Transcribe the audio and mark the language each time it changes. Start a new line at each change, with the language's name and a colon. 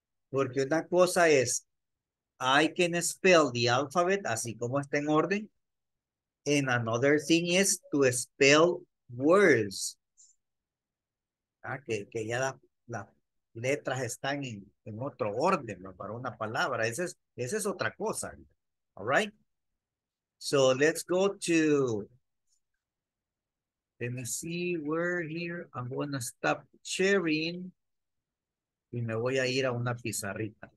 Spanish: Porque una cosa es,
English: I can spell the alphabet,
Spanish: así como está en orden.
English: And another thing is to spell words.
Spanish: Ah, que ya las letras están en otro orden, ¿no? Para una palabra. Esa es otra cosa.
English: All right? So let's go to, let me see where here. I'm going to stop sharing.
Spanish: Y me voy a ir a una pizarrita.